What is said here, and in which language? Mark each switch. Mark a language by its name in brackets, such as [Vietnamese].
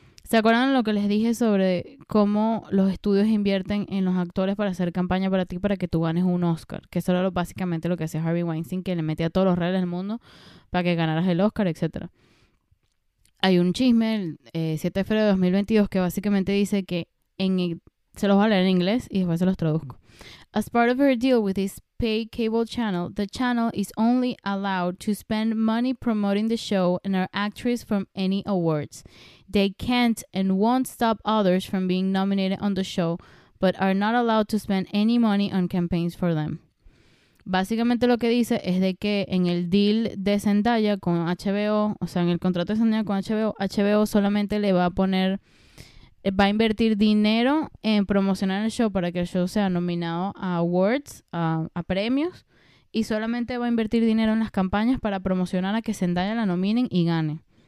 [Spanish] ¿Se acuerdan lo que les dije sobre cómo los estudios invierten en los actores para hacer campaña para ti, para que tú ganes un Oscar? Que eso era básicamente lo que hacía Harvey Weinstein, que le metía todos los reales del mundo para que ganaras el Oscar, etc. Hay un chisme, el 7 de febrero de 2022, que básicamente dice que se los voy a leer en inglés y después se los traduzco. [English] As part of her deal with this pay cable channel, the channel is only allowed to spend money promoting the show and our actress from any awards. They can't and won't stop others from being nominated on the show, but are not allowed to spend any money on campaigns for them. [Spanish] Básicamente lo que dice es de que en el deal de Zendaya con HBO, o sea, en el contrato de Zendaya con HBO, HBO solamente le va a poner, va a invertir dinero en promocionar el show para que el show sea nominado a awards, a premios, y solamente va a invertir dinero en las campañas para promocionar a que Zendaya la nominen y gane.